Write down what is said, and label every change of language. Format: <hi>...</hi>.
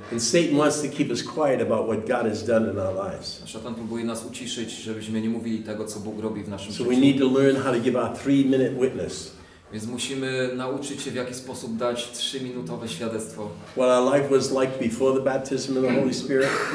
<en>And Satan wants to keep us quiet about what God has done in our lives.</en> <pl>Szatan próbuje nas uciszyć, żebyśmy nie mówili tego, co Bóg robi w naszym życiu.</pl> <en>So we need to learn how to give our 3-minute witness.</en> <pl>Więc musimy nauczyć się, w jaki sposób dać 3-minutowe świadectwo.</pl> <en>What our life was like before the baptism in the Holy Spirit.</en>